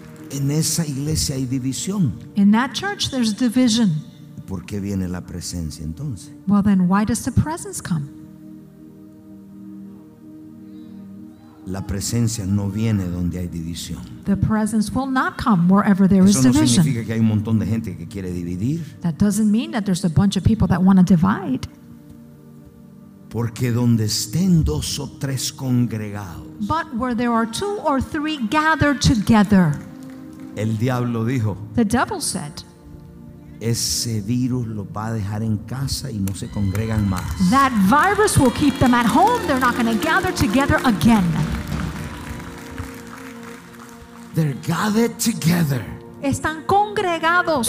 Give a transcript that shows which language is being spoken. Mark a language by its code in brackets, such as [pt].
[es] En esa iglesia hay división. [en] In that church there's division. [es] ¿Por qué viene la presencia entonces? [en] Well then, why does the presence come? [es] La presencia no viene donde hay división. [en] The presence will not come wherever there is division. [es] Eso no significa que hay un montón de gente que quiere dividir. [en] That doesn't mean that there's a bunch of people that want to divide. [es] Porque donde estén dos o tres congregados. [en] But where there are two or three gathered together. [es] El diablo dijo. [en] The devil said. [es] Ese virus lo va a dejar en casa y no se congregan más. [en] That virus will keep them at home. They're not going to gather together again. They're gathered together. [es] Están congregados.